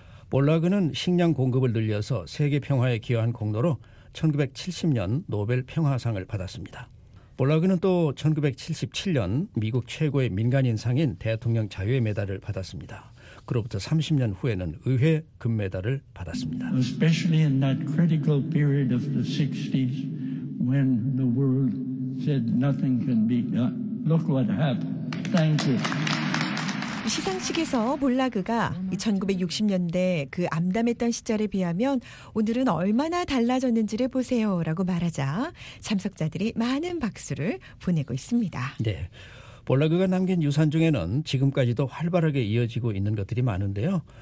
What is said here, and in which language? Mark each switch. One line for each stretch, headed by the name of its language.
Korean: 볼라그는 식량 공급을 늘려서 세계 평화에 기여한 공로로 1970년 노벨 평화상을 받았습니다. 볼라그는 또 1977년 미국 최고의 민간인상인 대통령 자유의 메달을 받았습니다. 그로부터 30년 후에는 의회 금메달을 받았습니다.
English: Especially in that critical period of the 60s when the world said nothing can be done. Look what happened. Thank you.
Korean: 시상식에서 볼라그가 1960년대 그 암담했던 시절에 비하면 오늘은 얼마나 달라졌는지를 보세요라고 말하자 참석자들이 많은 박수를 보내고 있습니다. 네. 볼라그가 남긴 유산 중에는 지금까지도 활발하게 이어지고 있는 것들이 많은데요.